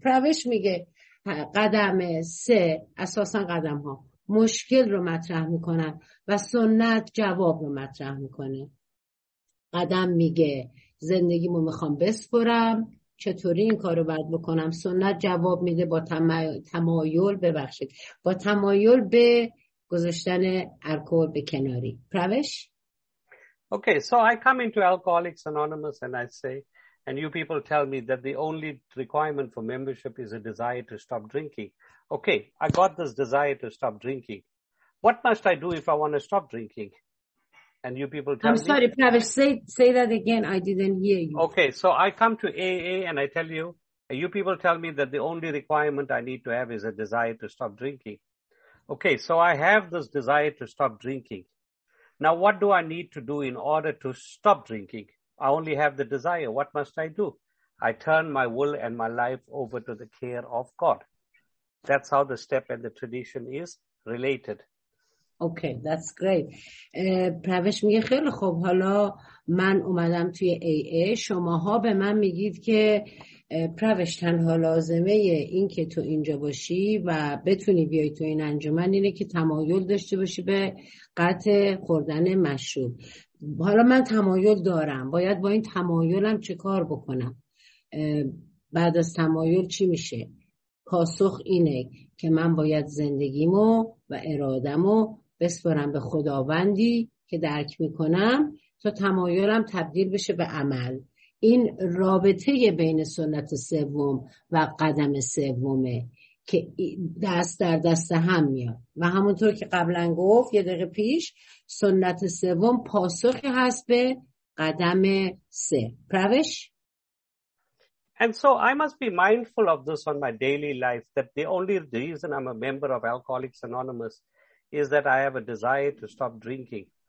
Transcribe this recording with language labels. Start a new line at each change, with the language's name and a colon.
Persian: پروش میگه قدم سه، اساسا قدم ها مشکل رو مطرح میکنن و سنت جواب رو مطرح میکنه. قدم میگه زندگیمو میخوام بسپرم، چطوری این کارو باید بکنم؟ سنت جواب میده با تمایل ببخشید، با تمایل به گذاشتن الکل به کناری. پروش؟
English: Okay, so I come into Alcoholics Anonymous and I say, and you people tell me that the only requirement for membership is a desire to stop drinking. Okay, I got this desire to stop drinking. What must I do if I want to stop drinking? And you people tell me... I'm sorry, Pravesh, say that again. I didn't hear you. Okay, so I come to AA and I tell you, and you people tell me that the only requirement I need to have is a desire to stop drinking. Okay, so I have this desire to stop drinking. Now, what do I need to do in order to stop drinking? I only have the desire. What must I do? I turn my will and my life over to the care of God. That's how the step and the tradition is related. Okay, that's great.
Persian: پروش میگه خیلی خوب، حالا من اومدم توی AA، شماها به من میگید که پروش تنها لازمه این که تو اینجا باشی و بتونی بیای تو این انجمن اینه که تمایل داشته باشی به قطع خوردن مشروب. حالا من تمایل دارم، باید با این تمایلم چه کار بکنم؟ بعد از تمایل چی میشه؟ پاسخ اینه که من باید زندگیمو و ارادمو بسپرم به خداوندی که درک میکنم تا تمایلم تبدیل بشه به عمل، این رابطه بین سنت سوم و قدم سومه که دست در دست هم میاد و همونطور که قبلا گفت یه دقیقه پیش، سنت سوم پاسخی هست به قدم سه. پروش؟
English: And so I must be mindful of this on my daily life, that the only reason I'm a member of Alcoholics Anonymous is that I have a desire to stop drinking.